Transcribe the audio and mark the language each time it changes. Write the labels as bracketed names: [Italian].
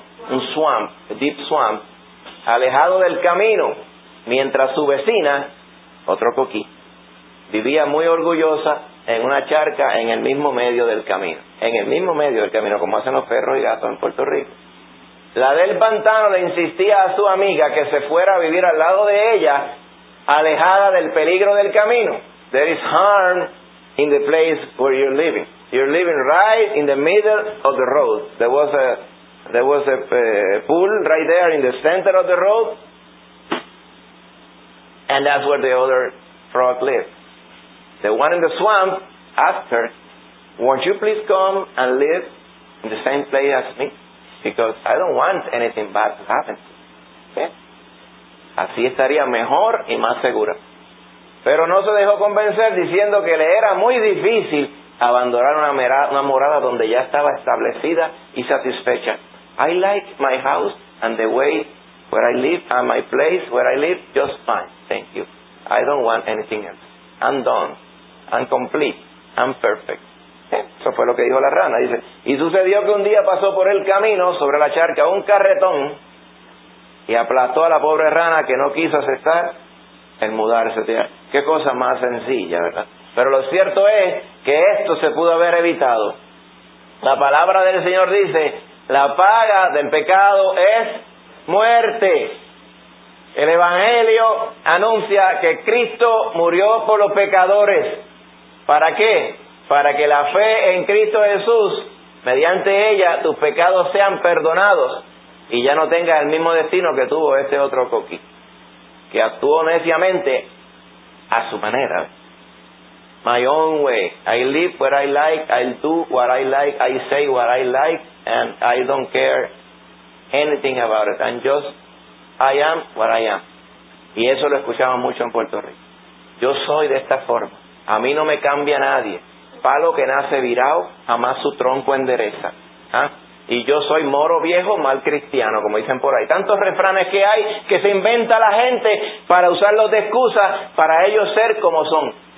[English] Un swamp, a deep swamp, [Spanish] alejado del camino, mientras su vecina, otro coquí, vivía muy orgullosa en una charca en el mismo medio del camino. En el mismo medio del camino, como hacen los perros y gatos en Puerto Rico. La del pantano le insistía a su amiga que se fuera a vivir al lado de ella, alejada del peligro del camino. [English] There is harm in the place where you're living. You're living right in the middle of the road. There was a pool right there in the center of the road, and that's where the other frog lived. The one in the swamp asked her, "Won't you please come and live in the same place as me? Because I don't want anything bad to happen." [Spanish] ¿Sí? Así estaría mejor y más segura. Pero no se dejó convencer, diciendo que le era muy difícil abandonar una morada donde ya estaba establecida y satisfecha. [English] I like my house and the way where I live and my place where I live just fine, thank you. I don't want anything else. I'm done. I'm complete. I'm perfect. [Spanish] Eso fue lo que dijo la rana. Dice, y sucedió que un día pasó por el camino sobre la charca un carretón y aplastó a la pobre rana, que no quiso aceptar el mudarse. Qué cosa más sencilla, ¿verdad? Pero lo cierto es que esto se pudo haber evitado. La palabra del Señor dice, la paga del pecado es muerte. El Evangelio anuncia que Cristo murió por los pecadores. ¿Para qué? Para que la fe en Cristo Jesús, mediante ella, tus pecados sean perdonados y ya no tengas el mismo destino que tuvo este otro coquí, que actuó neciamente a su manera. [English] My own way. I live where I like, I do what I like, I say what I like, and I don't care anything about it. I'm just, I am what I am. [Spanish] Y eso lo escuchamos mucho en Puerto Rico. Yo soy de esta forma. A mí no me cambia nadie. Palo que nace virado, jamás su tronco endereza. ¿Ah? Y yo soy moro viejo, mal cristiano, como dicen por ahí. Tantos refranes que hay que se inventa la gente para usarlos de excusa para ellos ser como son.